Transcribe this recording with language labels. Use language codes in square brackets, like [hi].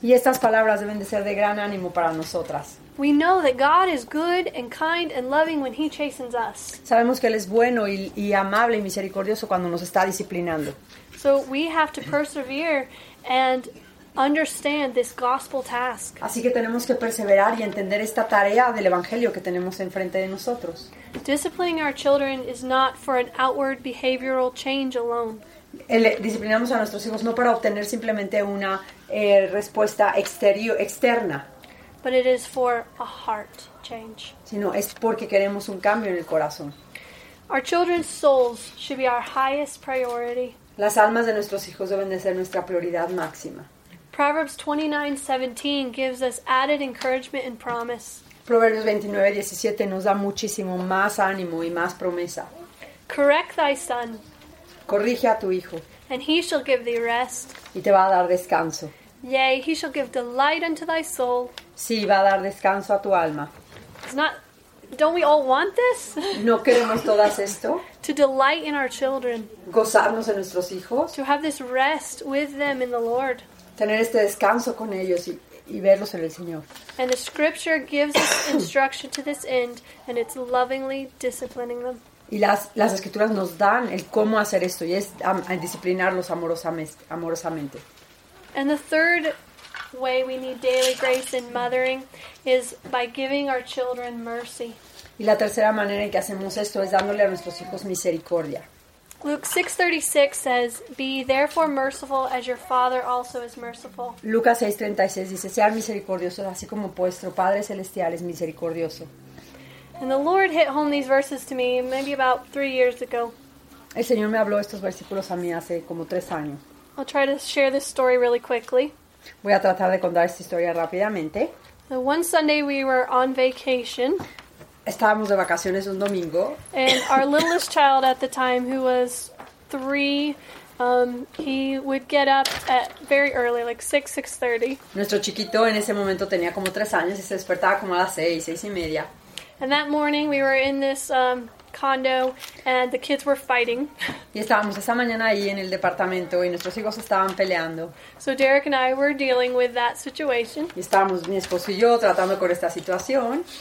[es] Y estas palabras deben de ser de gran ánimo para nosotras. [en] We know that God is good and kind and loving when He chastens us. [es] Sabemos que Él es bueno y amable y misericordioso cuando nos está disciplinando. [en] So we have to persevere and understand this gospel task. [es] Así que tenemos que perseverar y entender esta tarea del evangelio que tenemos enfrente de nosotros. [en] Disciplining our children is not for an outward behavioral change alone. [es] Disciplinamos a nuestros hijos no para obtener simplemente una respuesta externa. [en] But it is for a heart change. [es] Sino es porque queremos un cambio en el corazón. [en] Our children's souls should be our highest priority. [es] Las almas de nuestros hijos deben de ser nuestra prioridad máxima. [en] Proverbs 29:17 gives us added encouragement and promise. [es] Proverbios 29:17 nos da muchísimo más ánimo y más promesa. [en] Correct thy son. [es] Corrige a tu hijo. [en] And he shall give thee rest. [es] Y te va a dar descanso. [en] Yea, he shall give delight unto thy soul. [es] Sí, va a dar descanso a tu alma. [en] Don't we all want this? [es] ¿No queremos todas esto? [en] To delight in our children. [es] Gozarnos en nuestros hijos. [en] To have this rest with them in the Lord. [es] Tener este descanso con ellos y verlos en el Señor. [en] And the Scripture gives us instruction to this end, and it's lovingly disciplining them. [es] Y las Escrituras nos dan el cómo hacer esto, y es disciplinarlos amorosamente. [en] And the third way we need daily grace in mothering is by giving our children mercy. [es] Y la tercera manera en que hacemos esto es dándole a nuestros hijos misericordia. [en] Luke 6:36 says, "Be therefore merciful as your Father also is merciful." [es] Lucas 6:36 dice, "Sean misericordiosos así como vuestro Padre celestial es misericordioso." [en] And the Lord hit home these verses to me maybe about 3 years ago. [es] El Señor me habló estos versículos a mí hace como 3 años. [en] I'll try to share this story really quickly. [es] Voy a tratar de contar esta historia rápidamente. [en] So one Sunday we were on vacation. [es] Estábamos de vacaciones un domingo. [en] And our littlest child at the time, who was 3, he would get up at very early, like 6:30. [es] Nuestro chiquito en ese momento tenía como 3 años y se despertaba como a las 6:30. [en] And that morning we were in this condo and the kids were fighting. [es] Y estábamos esa mañana ahí en el departamento y nuestros hijos estaban peleando. [en] So Derek and I were dealing with that situation. [es] Y estábamos mi esposo y yo tratando con esta situación.